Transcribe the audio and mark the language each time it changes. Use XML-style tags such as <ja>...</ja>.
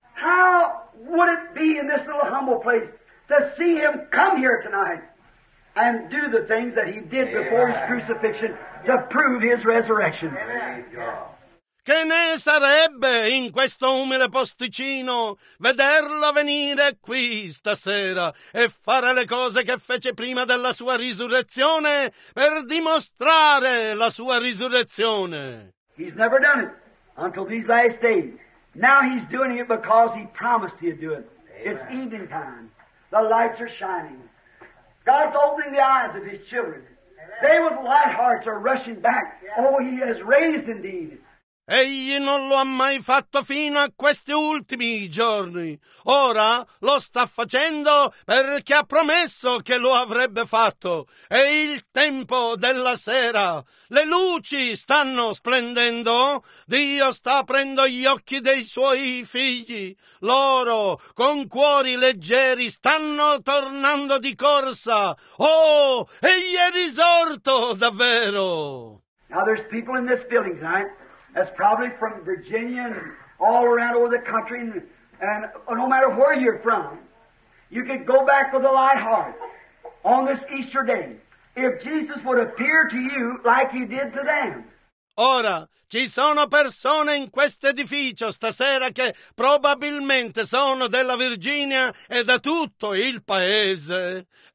<en>How would it be in this little humble place to see him come here tonight and do the things that he did before his crucifixion to prove his resurrection.</en> <it>Che ne sarebbe in questo umile posticino vederlo venire qui stasera e fare le cose che fece prima della sua risurrezione per dimostrare la sua risurrezione?</it> <en>He's never done it until these last days. Now he's doing it because he promised he'd do it. Amen. It's evening time. The lights are shining. God's opening the eyes of his children. Amen. They with light hearts are rushing back. Yeah. Oh, he has raised indeed.</en> <it>Egli non lo ha mai fatto fino a questi ultimi giorni. Ora lo sta facendo perché ha promesso che lo avrebbe fatto. È il tempo della sera. Le luci stanno splendendo. Dio sta aprendo gli occhi dei suoi figli. Loro, con cuori leggeri, stanno tornando di corsa. Oh, egli è risorto davvero.</it> <en>Now there's people in this building tonight. That's probably from Virginia and all around over the country, and no matter where you're from, you could go back with a light heart on this Easter day if Jesus would appear to you like he did to them.</en> <it>Ora, ci sono persone in questo edificio stasera che probabilmente sono della Virginia e da tutto il paese.</it>